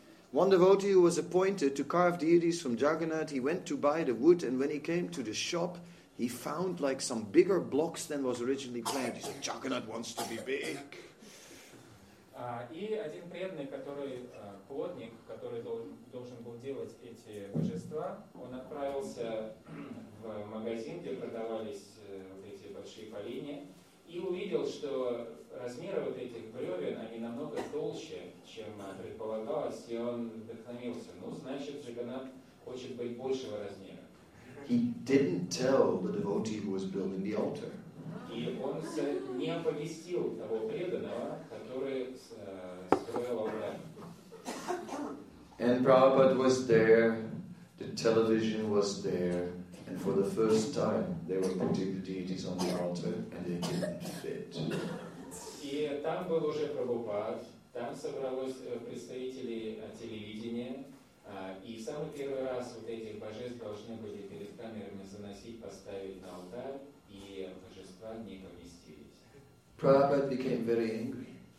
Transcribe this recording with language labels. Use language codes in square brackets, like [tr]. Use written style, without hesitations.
[en] One devotee who was appointed to carve deities from Jagannath, he went to buy the wood, and when he came to the shop, he found like some bigger blocks than was originally planned. He said, Jagannath wants to be big. [ru] И один преданный, который плотник, который должен был делать эти божества, он отправился в магазин, где продавались вот эти большие поленья, и увидел, что размеры вот этих бревен, они намного толще, чем предполагалось, и он вдохновился. Ну, значит, Джаганнат хочет быть большего размера. [en] He didn't tell the devotee who was building the altar. [ru] И он не оповестил того преданного, который строил алтарь. [en] And Prabhupada was there, the television was there, and for the first time they were putting the deities on the altar and they didn't fit. [ru] И там был уже Прабхупад, там собрались представители телевидения, и в самый первый раз вот эти божества должны были перед камерами заносить, поставить на алтарь, и божества не поместились. [en] Prabhupada became very angry.